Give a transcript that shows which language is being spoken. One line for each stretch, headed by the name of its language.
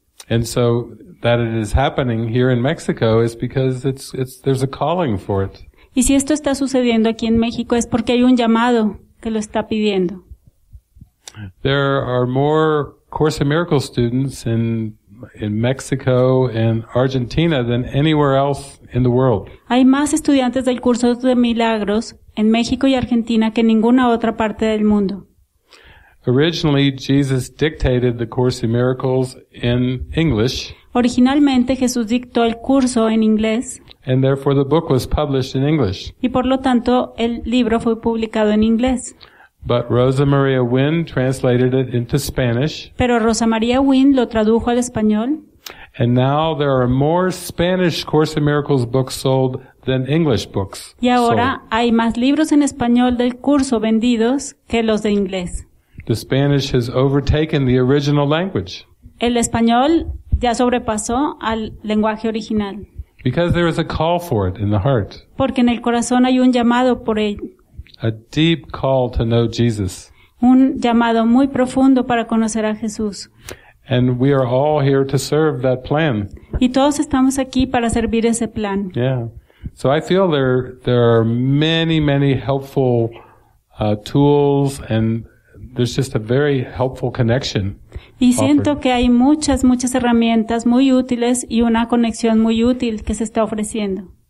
English: And so that it is happening here in Mexico is because it's there's a calling for it.
Spanish: Y si esto está sucediendo aquí en México es porque hay un llamado que lo está pidiendo.
English: There are more Course in Miracles students in Mexico and Argentina than anywhere else in the world.
Spanish: Hay más estudiantes del curso de milagros en México y Argentina que en ninguna otra parte del mundo.
English: Originally, Jesus dictated the Course in Miracles in English.
Spanish: Originalmente, Jesús dictó el curso en inglés.
English: And therefore, the book was published in English.
Spanish: Y por lo tanto, el libro fue publicado en inglés.
English: But Rosa Maria Wynn translated it into Spanish.
Spanish: Pero Rosa María Wynn lo tradujo al español.
English: And now there are more Spanish Course in Miracles books sold than English books.
Spanish: Y ahora hay más libros en español del curso vendidos que los de inglés.
English: The Spanish has overtaken the original language.
Spanish: El español ya sobrepasó al lenguaje original.
English: Because there is a call for it in the heart.
Spanish: Porque en el corazón hay un llamado por él.
English: A deep call to know Jesus.
Spanish: Un llamado muy profundo para conocer a Jesús.
English: And we are all here to serve that plan.
Spanish: Y todos estamos aquí para servir ese plan.
English: Yeah. So I feel there are many, many helpful tools and there's just a very helpful connection.
Spanish: Y siento que hay muchas, muchas herramientas muy útiles y una conexión muy útil que se está ofreciendo.